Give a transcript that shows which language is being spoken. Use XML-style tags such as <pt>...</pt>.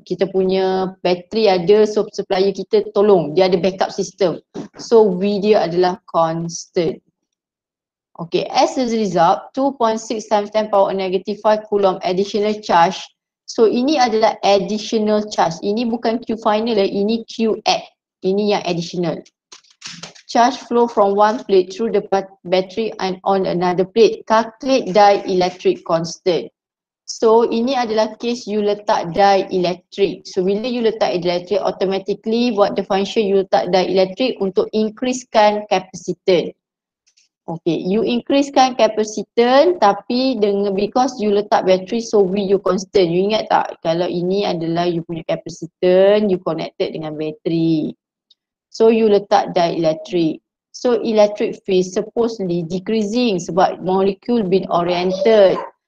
<ms>Kita punya battery ada, so supplier kita tolong, dia ada backup system.</ms> <en>So V</en> <ms>dia adalah</ms> <en>constant. Okay, as a result, 2.6 times 10 power negative 5 coulomb additional charge.</en> <ms>So ini adalah</ms> <en>additional charge.</en> <ms>Ini bukan Q final, ini Q add. Ini yang additional.</ms> <en>Charge flow from one plate through the battery and on another plate. Calculate dielectric constant.</en> <ms>So ini adalah case you letak dielectric.</ms> <en>So bila you letak dielectric, automatically what the function you letak dielectric</en> <ms>untuk increasekan</ms> <en>capacitance. Okay, you increasekan capacitance tapi dengan because you letak battery, so V you constant.</en> <ms>You ingat tak kalau ini adalah you punya capacitance, you connected dengan battery. So you letak dielectric.</ms> <en>So electric phase supposedly decreasing</en> <ms>sebab</ms> <en>molecule been oriented.</en>